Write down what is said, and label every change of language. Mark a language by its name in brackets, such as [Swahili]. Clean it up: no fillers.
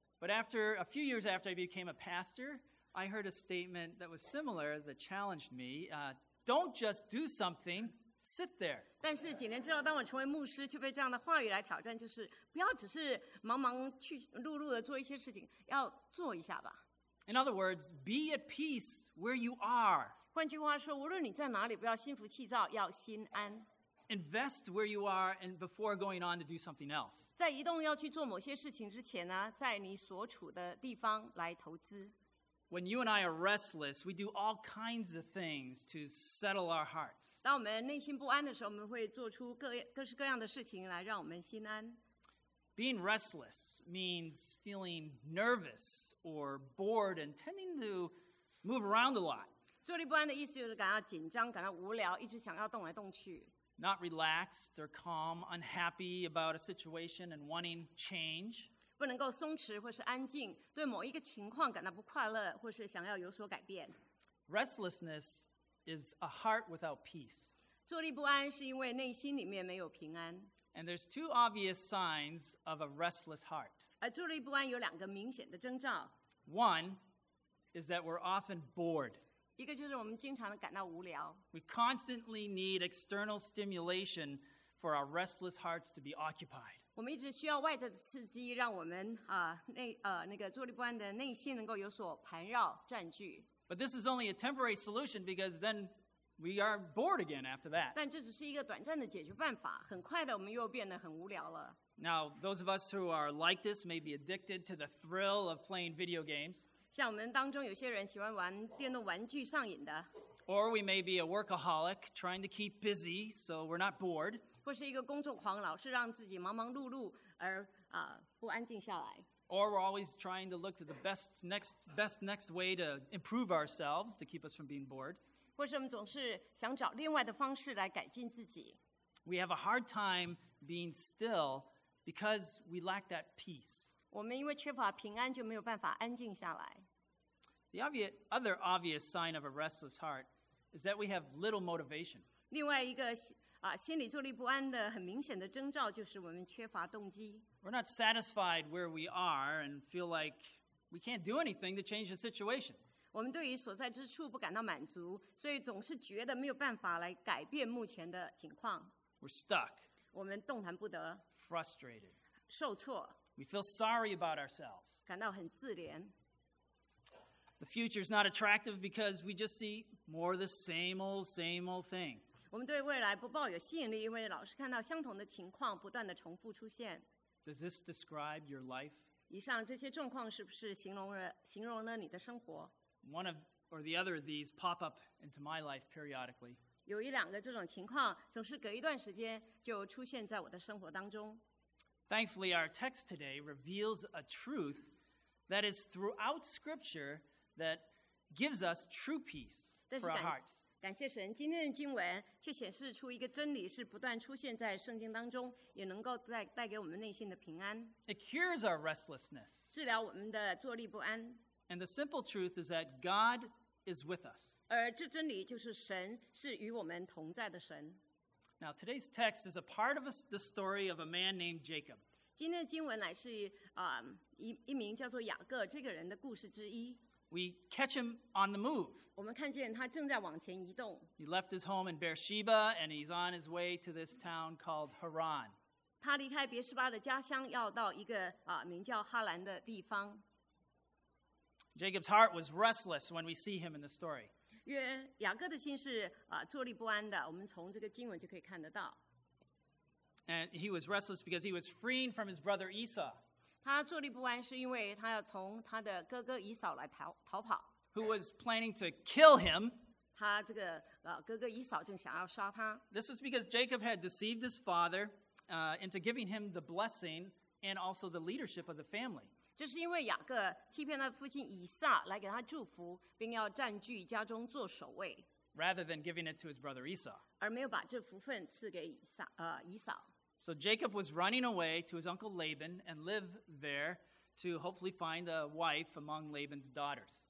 [English] But after a few years after I became a pastor, I heard a statement that was similar that challenged me, "Don't just do something." Sit there. [Chinese] 但是几年之后，当我成为牧师，却被这样的话语来挑战，就是不要只是忙忙去碌碌的做一些事情，要做一下吧。 [English] In other words, be at peace where you are. [Chinese] 换句话说，无论你在哪里，不要心浮气躁，要心安。 [English] Invest where you are and before going on to do something else. [Chinese] 在移动要去做某些事情之前呢，在你所处的地方来投资。 [English] When you and I are restless, we do all kinds of things to settle our hearts. [Chinese] 当我们内心不安的时候，我们会做出各式各样的事情来让我们心安。 [English] Being restless means feeling nervous or bored and tending to move around a lot. [Chinese] 坐立不安的意思就是感到紧张，感到无聊，一直想要动来动去。 [English] Not relaxed or calm, unhappy about a situation and wanting change. [Chinese] 不能够松弛或是安静，对某一个情况感到不快乐，或是想要有所改变。 [English] Restlessness is a heart without peace. [Chinese] 坐立不安是因为内心里面没有平安。 [English] And there's two obvious signs of a restless heart. [Chinese] 而坐立不安有两个明显的征兆。 [English] One is that we're often bored. [Chinese] 一个就是我们经常感到无聊。 [English] We constantly need external stimulation for our restless hearts to be occupied. [Chinese] 我们一直需要外在的刺激，让我们坐立不安的内心能够有所盘绕占据。 [English] But this is only a temporary solution because then we are bored again after that. [Chinese] 但这只是一个短暂的解决办法，很快的我们又变得很无聊了。 [English] Now, those of us who are like this may be addicted to the thrill of playing video games. [Chinese] 像我们当中有些人喜欢玩电动玩具上瘾的。 [English] Or we may be a workaholic trying to keep busy so we're not bored. [Chinese] 或是一个工作狂，老是让自己忙忙碌碌而不安静下来。 [English] Or we're always trying to look to the best next way to improve ourselves to keep us from being bored. [Chinese] 或是我们总是想找另外的方式来改进自己。 [English] We have a hard time being still because we lack that peace. [Chinese] 我们因为缺乏平安，就没有办法安静下来。 [English] The other obvious sign of a restless heart is that we have little motivation. [Chinese] 另外一个心里坐立不安的很明显的征兆就是我们缺乏动机。 [English] We're not satisfied where we are and feel like we can't do anything to change the situation. [Chinese] 我们对于所在之处不感到满足，所以总是觉得没有办法来改变目前的情况。 [English] We're stuck. [Chinese] 我们动弹不得。 [English] Frustrated. [Chinese] 受挫。 [English] We feel sorry about ourselves. [Chinese] 感到很自怜。 [English] The future's not attractive because we just see more of the same old thing. [Chinese] 我们对未来不抱有吸引力，因为老是看到相同的情况不断的重复出现。 [English] Does this describe your life? [Chinese] 以上这些状况是不是形容了你的生活？ [English] One of or the other of these pop up into my life periodically. [Chinese] 有一两个这种情况，总是隔一段时间就出现在我的生活当中。 [English] Thankfully, our text today reveals a truth that is throughout Scripture that gives us true peace for our hearts. [Chinese] 感谢神，今天的经文却显示出一个真理，是不断出现在圣经当中，也能够带给我们内心的平安。 [English] It cures our restlessness. [Chinese] 治疗我们的坐立不安。 [English] And the simple truth is that God. Is with us. [Chinese] 而这真理就是神是与我们同在的神。 [English] Now today's text is a part of the story of a man named Jacob. [Chinese] 今天的经文乃是一名叫做雅各这个人的故事之一。 [English] We catch him on the move. [Chinese] 我们看见他正在往前移动。 [English] He left his home in Beersheba and he's on his way to this town called Haran. [Chinese] 他离开别士巴的家乡，要到一个名叫哈兰的地方。 [English] Jacob's heart was restless when we see him in the story. [Chinese] 雅各的心是坐立不安的，我们从这个经文就可以看得到。 [English] And he was restless because he was fleeing from his brother Esau. [Chinese] 他坐立不安是因为他要从他的哥哥以扫来逃跑。 [English] Who was planning to kill him. [Chinese] 他这个哥哥以扫正想要杀他。 [English] This was because Jacob had deceived his father into giving him the blessing and also the leadership of the family. [Chinese] 这是因为雅各欺骗他父亲以撒来给他祝福，并要占据家中做首位。 [English] Rather than giving it to his brother Esau. [Chinese] 而没有把这福分赐给以扫。 [English] So Jacob was running away to his uncle Laban and live there to hopefully find a wife among Laban's daughters.